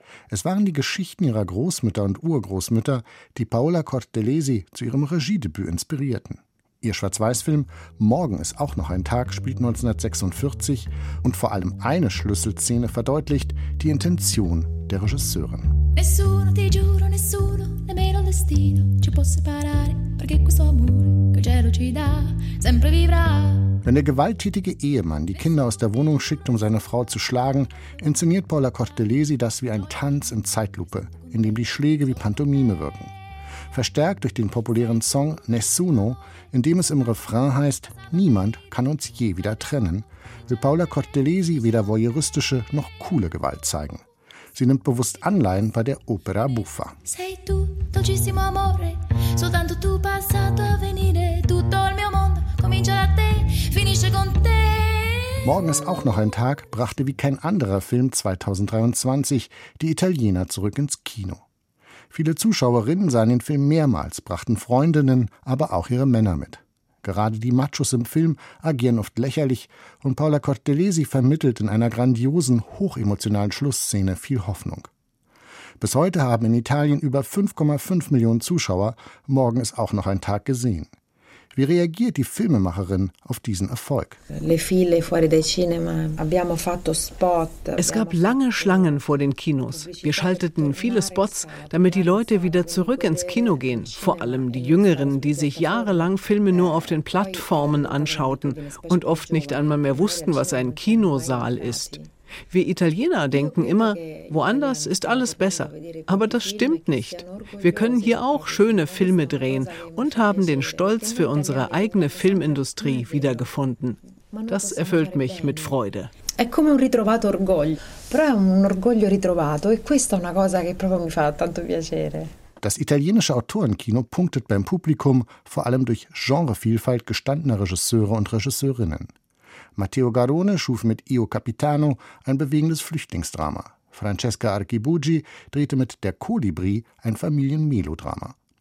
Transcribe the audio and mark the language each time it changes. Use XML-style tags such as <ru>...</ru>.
<de>Es waren die Geschichten ihrer Großmütter und Urgroßmütter, die Paola Cortellesi zu ihrem Regiedebüt inspirierten. Ihr Schwarz-Weiß-Film »Morgen ist auch noch ein Tag« spielt 1946 und vor allem eine Schlüsselszene verdeutlicht die Intention der Regisseurin.</de> <it>Nessuno, ti giuro, nessuno, nemmeno il destino ci può separare, perché questo amore che il cielo ci dà sempre vivrà.</it> <de>Wenn der gewalttätige Ehemann die Kinder aus der Wohnung schickt, um seine Frau zu schlagen, inszeniert Paola Cortellesi das wie ein Tanz in Zeitlupe, in dem die Schläge wie Pantomime wirken. Verstärkt durch den populären Song »Nessuno«, in dem es im Refrain heißt »Niemand kann uns je wieder trennen«, will Paola Cortellesi weder voyeuristische noch coole Gewalt zeigen. Sie nimmt bewusst Anleihen bei der Opera Buffa.</de> <it>Sei tu, dolcissimo amore, soltanto tu passato a venire, tutto il mio mondo comincia da te, finisce con te.</it> <de>Morgen ist auch noch ein Tag, brachte wie kein anderer Film 2023 die Italiener zurück ins Kino. Viele Zuschauerinnen sahen den Film mehrmals, brachten Freundinnen, aber auch ihre Männer mit. Gerade die Machos im Film agieren oft lächerlich und Paola Cortellesi vermittelt in einer grandiosen, hochemotionalen Schlussszene viel Hoffnung. Bis heute haben in Italien über 5,5 Millionen Zuschauer Morgen ist auch noch ein Tag gesehen. Wie reagiert die Filmemacherin auf diesen Erfolg? Es gab lange Schlangen vor den Kinos. Wir schalteten viele Spots, damit die Leute wieder zurück ins Kino gehen. Vor allem die Jüngeren, die sich jahrelang Filme nur auf den Plattformen anschauten und oft nicht einmal mehr wussten, was ein Kinosaal ist. Wir Italiener denken immer, woanders ist alles besser. Aber das stimmt nicht. Wir können hier auch schöne Filme drehen und haben den Stolz für unsere eigene Filmindustrie wiedergefunden. Das erfüllt mich mit Freude.</de> <it>È come un ritrovato orgoglio, però è un orgoglio ritrovato e questa è una cosa che proprio mi fa tanto piacere.</it> <de>Das italienische Autorenkino punktet beim Publikum vor allem durch Genrevielfalt gestandener Regisseure und Regisseurinnen. Matteo Garrone schuf mit Io Capitano ein bewegendes Flüchtlingsdrama. Francesca Archibugi drehte mit Der Kolibri ein Familienmelodrama.</de>